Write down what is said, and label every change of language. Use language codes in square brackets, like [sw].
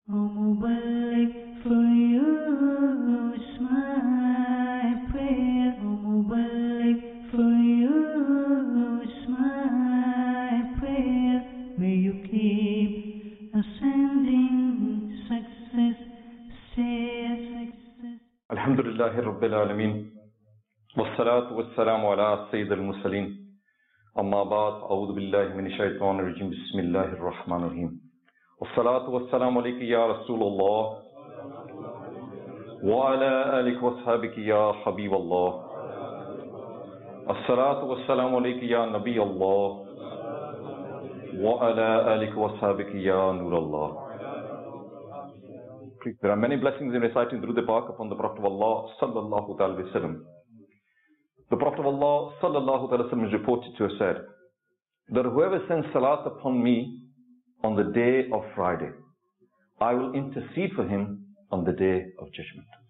[en] Mubarak for you, it's my prayer. Oh, Mubarak for you, it's my prayer. May you keep ascending success, say success. Alhamdulillahi Rabbil Alameen. [ar] والصلاة والسلام على سيد المرسلين أما بعد أعوذ بالله من الشيطان الرجيم بسم الله الرحمن الرحيم والصلاة والسلام عليك يا رسول الله وعلى آلك وصحابك يا حبيب الله الصلاة والسلام عليك يا نبي الله وعلى آلك وصحابك يا نور الله. [en] There are many blessings in reciting through the Pak upon the Prophet of Allah sallallahu alaihi wasallam. The Prophet of Allah sallallahu alaihi wasallam is reported to have said that whoever sends salat upon me on the day of Friday, I will intercede for him on the day of judgment.